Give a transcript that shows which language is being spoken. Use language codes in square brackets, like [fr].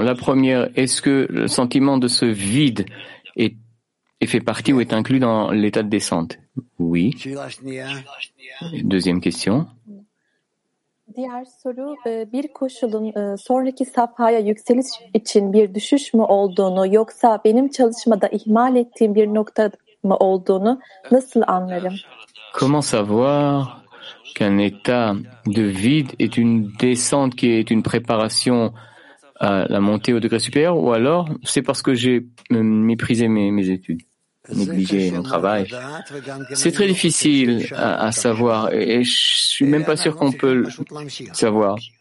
[fr] La première, est-ce que le sentiment de ce vide est fait partie ou est inclus dans l'état de descente? Oui. Deuxième question. [tr] Diğer soru, bir koşulun sonraki safhaya yükseliş için bir düşüş mü olduğunu yoksa benim çalışmada ihmal ettiğim bir nokta mı olduğunu nasıl anlarım? [fr] Comment savoir qu'un état de vide est une descente qui est une préparation à la montée au degré supérieur, ou alors c'est parce que j'ai méprisé mes études, négligé mon travail? C'est très difficile à savoir et je suis même pas sûr qu'on peut le savoir.